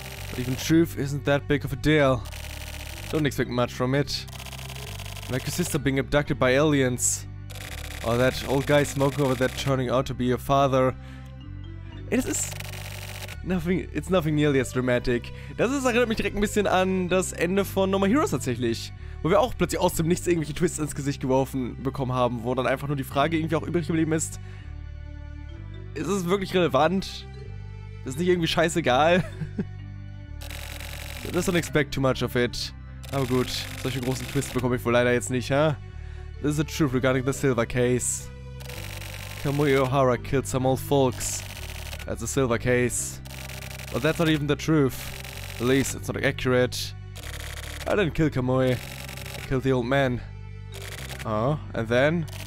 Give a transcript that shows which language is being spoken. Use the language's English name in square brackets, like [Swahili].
[English] But even truth isn't that big of a deal. Don't expect much from it. Like your sister being abducted by aliens. Or that old guy smoking over there turning out to be your father. It's nothing nearly as dramatic. [German] Das erinnert mich direkt ein bisschen an das Ende von No More Heroes tatsächlich. Wo wir auch plötzlich aus dem Nichts irgendwelche Twists ins Gesicht geworfen bekommen haben. Wo dann einfach nur die Frage irgendwie auch übrig geblieben ist. Ist es wirklich relevant? Ist nicht irgendwie scheißegal? [English] Just don't expect too much of it. [German] Aber gut, solche großen Twists bekomme ich wohl leider jetzt nicht, ha? Huh? [English] This is the truth regarding the Silver Case. Kamui Ohara killed some old folks. That's the Silver Case. But that's not even the truth. At least, it's not accurate. I didn't kill Kamui. I killed the old man. Oh, and then?